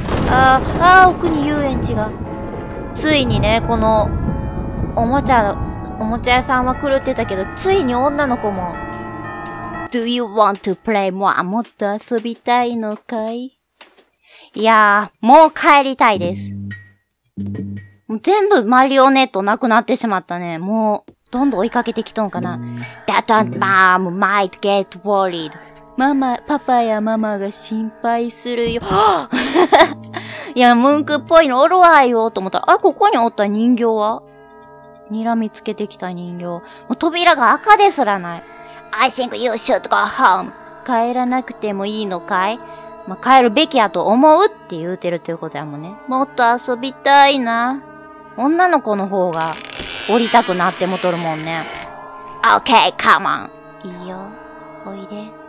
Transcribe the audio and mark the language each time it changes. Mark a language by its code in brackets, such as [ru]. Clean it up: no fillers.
[ja] ああ、奥に遊園地が。ついにね、この、おもちゃ屋さんは狂ってたけど、ついに女の子も。 [en] Do you want to play more? [ja] もっと遊びたいのかい？いやー、もう帰りたいです。もう全部マリオネットなくなってしまったね。もう、どんどん追いかけてきとんかな。 [en] That mom might get worried. [ja] ママ、パパやママが心配するよ。いや、ムンクっぽいのおるわよ、と思ったら、あ、ここにおった人形は？睨みつけてきた人形。もう扉が赤ですらない。 [en] I think you should go home. [ja] 帰らなくてもいいのかい？まあ、帰るべきやと思うって言うてるということやもんね。もっと遊びたいな。女の子の方が、降りたくなってもとるもんね。 [en] Okay, come on. [ja] いいよ、おいで。